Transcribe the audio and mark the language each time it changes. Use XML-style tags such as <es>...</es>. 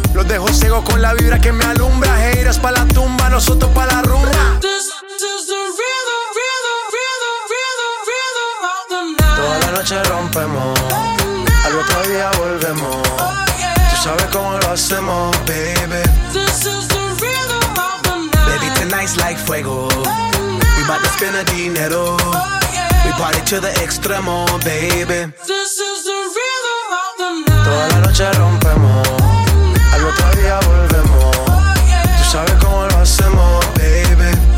<es>Los dejo ciego con la vibra que me alumbra. Haters pa' la tumba, nosotros pa' la rumba. Noche rompemos, al otro día volvemos. Oh, yeah. Tú sabes cómo lo hacemos, baby.</es> <en>This is the rhythm of the night. Baby, tonight's like fuego. Oh, we bout to spend the dinero. Oh, yeah. We party to the extremo, baby. This is the rhythm of the night.</en> <es>Toda la noche rompemos, oh, al otro día volvemos. Oh, yeah. Tú sabes cómo lo hacemos, baby.</es>